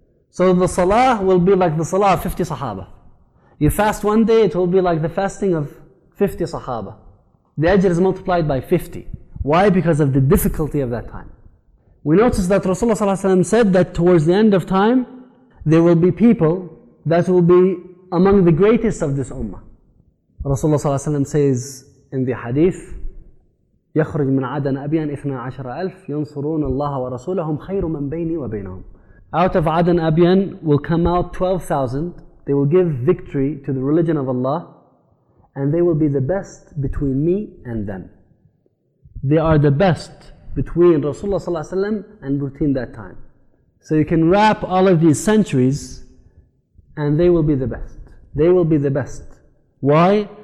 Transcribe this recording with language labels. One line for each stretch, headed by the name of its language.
English: So the salah will be like the salah of 50 Sahaba. You fast one day, it will be like the fasting of 50 Sahaba. The ajr is multiplied by 50. Why? Because of the difficulty of that time. We notice that Rasulullah ﷺ said that towards the end of time, there will be people that will be among the greatest of this ummah. Rasulullah ﷺ says in the hadith,
Arabic: يخرج من عدن أبيان 12,000 ينصرون الله ورسولهم خير من بيني وبينهم.
English: Out of Adan Abyan will come out 12,000. They will give victory to the religion of Allah, and they will be the best between me and them. They are the best between Rasulullah ﷺ and between that time. So you can wrap all of these centuries, and they will be the best. They will be the best. Why?